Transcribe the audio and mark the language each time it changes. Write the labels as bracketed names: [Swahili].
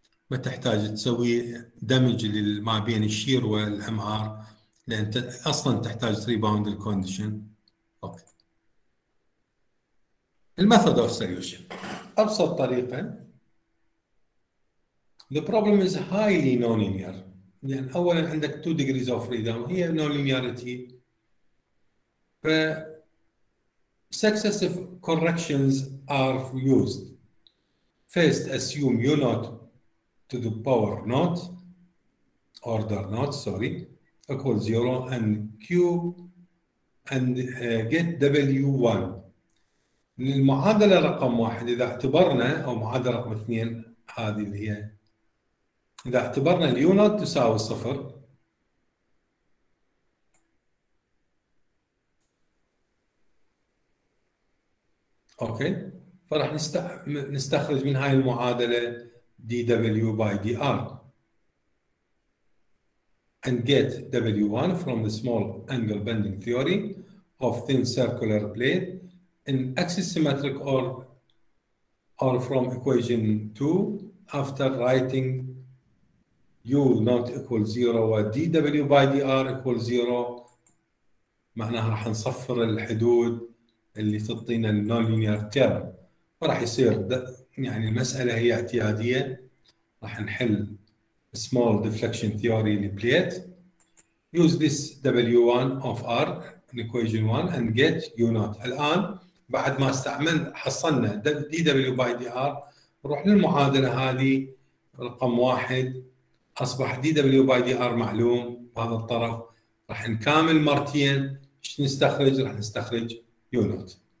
[Arabic] ما تحتاج تسوي دمج ما بين الشير والام ار، لان اصلا تحتاج 3 باوند الكونديشن. اوكي، الميثود اوف سوليوشن ابسط طريقه. [English] The problem is highly non-linear. [Arabic] يعني أولاً عندك 2 degrees of freedom هي non-linearity. [English] Successive corrections are used. First, assume u not to the power not, order not, sorry, equals 0 and q and get w1. [Arabic] المعادلة رقم واحد إذا اعتبرنا، أو معادلة رقم اثنين هذه اللي هي إذا اعتبرنا اليو نوت تساوي صفر، أوكي، فراح نستخرج من هاي المعادلة دي دبليو باي دي آر [English] and get W1 from the small angle bending theory of thin circular plate in axisymmetric or from equation 2 after writing U not equal zero and dW by dr equal zero. [Arabic] معناها راح نصفر الحدود اللي تعطينا non-linear term، وراح يصير يعني المسألة هي اعتيادية. راح نحل [English] small deflection theory plate. Use this W1 of r in equation 1 and get U not. [Arabic] الآن بعد ما استعملنا حصلنا dW by dr، نروح للمعادلة هذه رقم واحد، أصبح dW by dr معلوم بهذا الطرف، راح نكامل مرتين. إيش نستخرج؟ راح نستخرج U not.